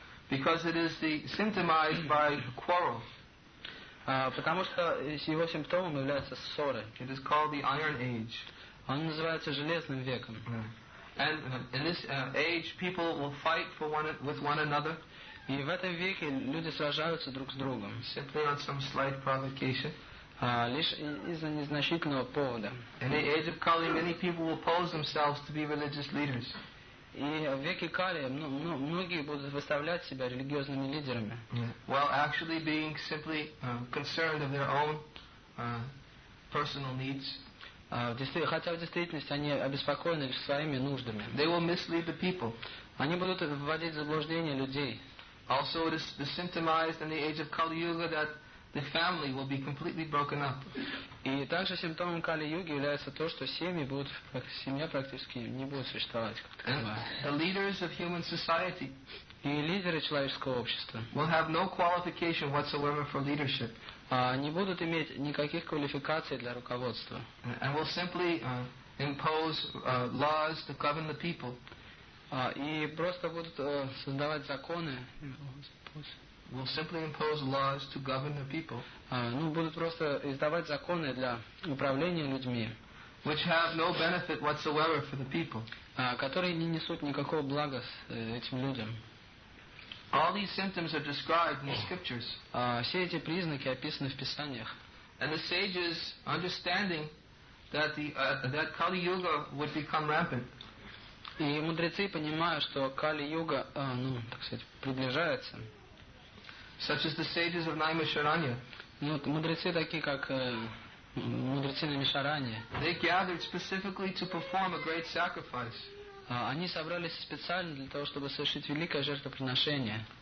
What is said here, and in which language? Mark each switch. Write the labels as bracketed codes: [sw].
[en] Because it is symptomized by quarrel. [ru] Потому что его симптомом являются ссоры. [en] It is called the Iron Age. [ru] Он называется Железным веком. [en] And in this age, people will fight with one another. [ru] И в этом веке люди сражаются друг с другом. [en] Simply on some slight provocation. [ru] Лишь из-за незначительного повода. [en] In the age of Kali, many people will pose themselves to be religious leaders. [ru] И в веке Кали многие будут выставлять себя религиозными лидерами. [en] Yeah. While actually being simply concerned of their own personal needs. [ru] Хотя в действительности они обеспокоены лишь своими нуждами. [en] They will mislead the people. [ru] Они будут вводить в заблуждение людей. [en] Also, it is symptomized in the age of Kali Yuga that the family will be completely broken up. [ru] И также симптомом Кали Юги является то, что семья практически не будет существовать. [en] The leaders of human society. [ru] И лидеры человеческого общества. [en] Will have no qualification whatsoever for leadership. [ru] Не будут иметь никаких квалификаций для руководства. [en] And will simply impose laws to govern the people. [ru] И просто будут создавать законы. [en] Will simply impose laws to govern the people. [ru] Будут просто издавать законы для управления людьми. [en] Which have no benefit whatsoever for the people. [ru] Которые не несут никакого блага этим людям. [en] All these symptoms are described in the scriptures. [ru] Все эти признаки описаны в писаниях. [en] And the sages, understanding that that Kali Yuga would become rampant. [ru] И мудрецы понимают, что Кали-юга, приближается. [en] Such as the sages of Naimisharanya. [ru] Мудрецы такие, как мудрецы Наимишаранья. [en] They gathered specifically to perform a great sacrifice. [ru] Они собрались специально для того, чтобы совершить великое жертвоприношение.